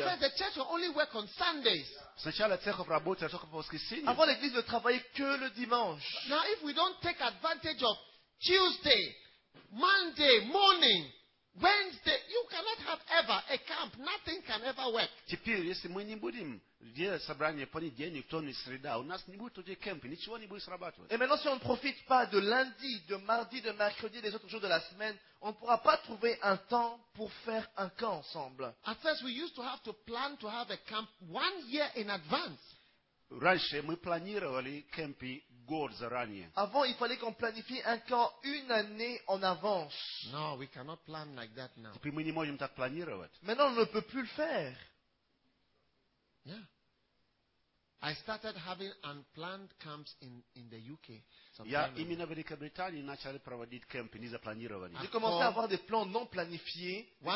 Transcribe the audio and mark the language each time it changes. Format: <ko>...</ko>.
<en>At first, the church will only work on Sundays.</en> <ru>Сначала церковь работает только по воскресеньям.</ru> <fr>Avant, l'église ne travaillait que le dimanche.</fr> <en>Now, if we don't take advantage of Tuesday, Monday morning, Wednesday, you cannot have ever a camp. Nothing can ever work.</en> <ru>Теперь, если мы не будем делать собрание понедельник, вторник, среда, у нас не будет тут кемпы, ничего не будет срабатывать.</ru> <fr>Et maintenant, si on ne profite pas de lundi, de mardi, de mercredi, des autres jours de la semaine, on ne pourra pas trouver un temps pour faire un camp ensemble.</fr> <en>At first, we used to have to plan to have a camp 1 year in advance.</en> <ru>Раньше мы планировали кемпы год заранее.</ru> <fr>Avant, il fallait qu'on planifie un camp une année en avance.</fr> <en>No, we cannot plan like that now.</en> <ru>Теперь мы не можем так планировать.</ru> <fr>Maintenant, on ne peut plus le faire.</fr> <en>Yeah. I started having unplanned camps in the UK.</en> <ru>Я именно в Великобритании начал проводить кемпы не запланированные.</ru> <fr>J'ai commencé à avoir des plans non planifiés.</fr>